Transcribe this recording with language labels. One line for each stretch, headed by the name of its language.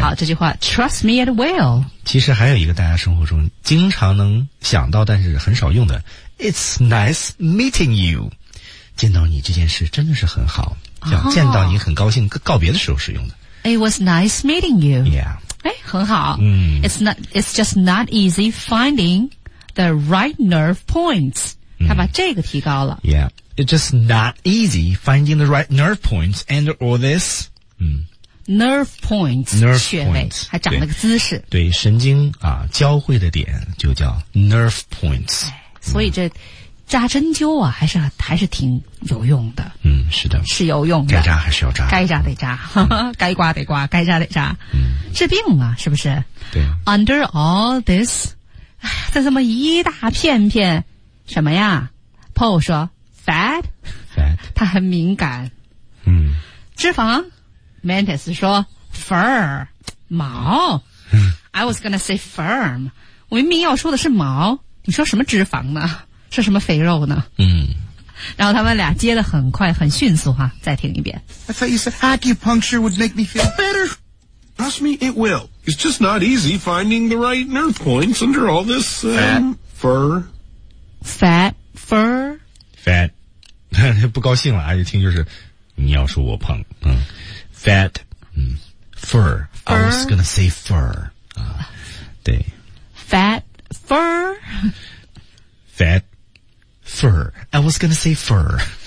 Chinese: 好，这句话
English: trust me it will.
Chinese: 其实还有一个大家生活中经常能想到但是很少用的
English: It's nice meeting you.
Chinese: 见到你这件事真的是很好，叫见到你很高兴告别的时候使用的。
English: It was nice meeting you. Yeah.
Chinese: 哎，很好。嗯
English: ，It's not. It's just not easy finding the right nerve points.、嗯、
Chinese: 他把这个提高了。
English: Yeah, it's just not easy finding the right nerve points and all this. 嗯，nerve points, nerve
Chinese: 穴位
English: points,
Chinese: 还长了个姿势。对，对神经啊，交汇的点就叫 nerve points、哎。所以这扎针灸啊，还是挺有用的。嗯，是的，是有用的。该扎还是要扎，该扎得扎，嗯、该刮得刮，该扎得扎。嗯。治病啊，是不是？对、啊。
English: Under all this,
Chinese: 在这么一大片片什么呀 ？Paul 说 ，fat，fat， 他很敏感。嗯。脂肪 ，Mantis 说 ，fur， 毛。
English: I was gonna say firm，
Chinese: 我明明要说的是毛，你说什么脂肪呢？是什么肥肉呢？嗯。然后他们俩接得很快，很迅速哈。再听一遍。
English: I thought you said acupuncture would make me feel better. Trust me, it will. It's just not easy finding the right nerve points under all this, fur. Fat, fur. Fat.
Chinese: 不高兴了啊，一听就是你要说我胖。
English: 嗯。Fat, 嗯。Fur. Fur. I was gonna say fur. 对。 Fat, fur. Fat, fur. I was gonna say fur.